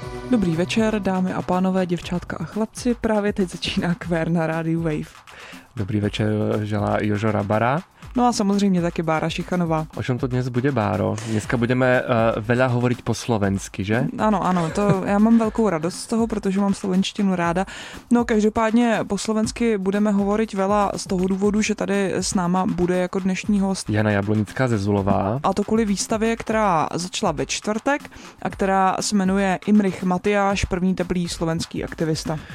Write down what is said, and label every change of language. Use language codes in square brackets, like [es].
[cs] Dobrý večer, dámy a pánové, děvčátka a chlapci. Právě teď začíná Kvér na rádiu Wave. [sk] Dobrý večer, želá Jožo Rabara. [cs] No a samozřejmě taky Bára Šichanová. O čem to dnes bude, Báro? [sk] Dneska budeme veľa hovoriť po slovensky, že? [cs] Ano, ano, to já mám velkou radost z toho, protože mám slovenštinu ráda. No každopádně [sk] po slovensky budeme hovoriť veľa [cs] z toho důvodu, že tady s náma bude jako dnešní host Jana Jablonická ze Zulová. A to kvůli výstavě, která začala ve čtvrtek a která se jmenuje Imrich Matyáš, první teplý slovenský aktivista.